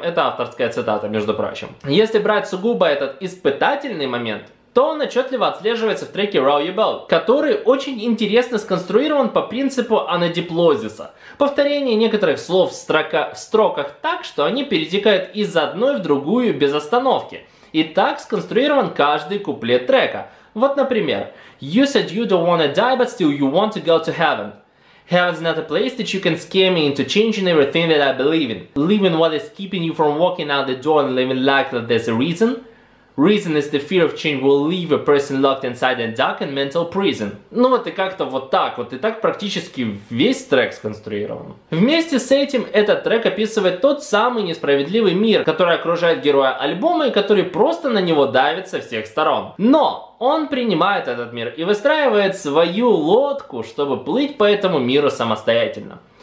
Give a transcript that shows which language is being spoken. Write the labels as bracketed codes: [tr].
[ru] Это авторская цитата, между прочим. Если брать сугубо этот испытательный момент, то он отчетливо отслеживается в треке Row Your Boat, который очень интересно сконструирован по принципу анадиплозиса. Повторение некоторых слов в строках так, что они перетекают из одной в другую без остановки. И так сконструирован каждый куплет трека. Вот, например, [en] You said you don't wanna die, but still you want to go to heaven. Heaven's not a place that you can scare me into changing everything that I believe in. Leaving what is keeping you from walking out the door and living like that there's a reason. Reason is the fear of change will leave a person locked inside a dark and mental prison. [ru] Ну вот и как-то вот так, вот и так практически весь трек сконструирован. Вместе с этим этот трек описывает тот самый несправедливый мир, который окружает героя альбома и который просто на него давит со всех сторон. Но он принимает этот мир и выстраивает свою лодку, чтобы плыть по этому миру самостоятельно.